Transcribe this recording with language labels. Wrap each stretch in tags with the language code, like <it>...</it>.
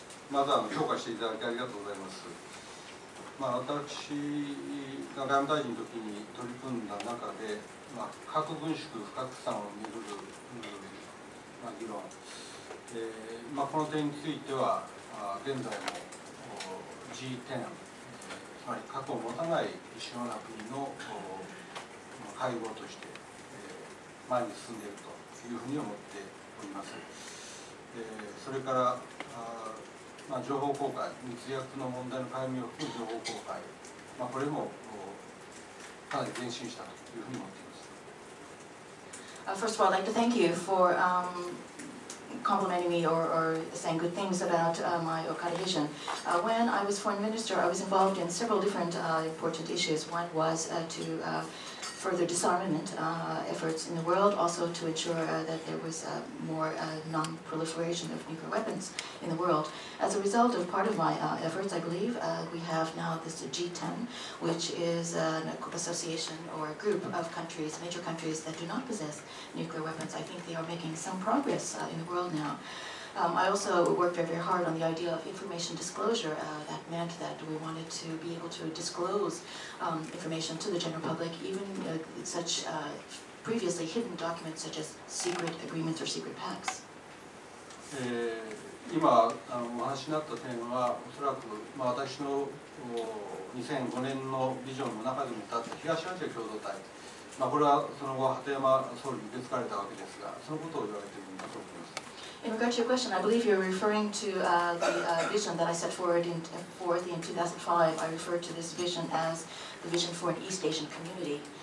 <ja>まず評価していただきありがとうございます。まあ、私が外務大臣の時に取り組んだ中で、まあ、核軍縮不拡散を巡る、まあ、議論、まあ、この点については、まあ、現在も G10、つまり核を持たない主要な国の、まあ、会合として、前に進んでいるというふうに思っております。それからまあ、情報公開、密約の問題の解明を含む情報公開、まあ、これもかなり前進したというふうに思っています。</ja> <en>First of all, I'd like to thank you for complimenting me or saying good things about my Okada vision. When I was foreign minister, I was involved in several different important issues. One was further disarmament efforts in the world, also to ensure that there was more non-proliferation of nuclear weapons in the world. As a result of part of my efforts, I believe, we have now this G10, which is an association or a group of countries, major countries that do not possess nuclear weapons. I think they are making some progress in the world now. I also worked very, very hard on the idea of information disclosure. That meant that we wanted to be able to disclose information to the general public, even such previously hidden documents such as secret agreements or secret pacts.</en> <ja>今お話になった点は、おそらく、まあ、私の2005年のビジョンの中でも立った東アジア共同体、まあ、これはその後、鳩山総理に受け継がれたわけですが、そのことを言われているんだと思います。</ja> <en>In regard to your question, I believe you're referring to the vision that I set forward in 2005. I referred to this vision as the vision for an East Asian community.</en>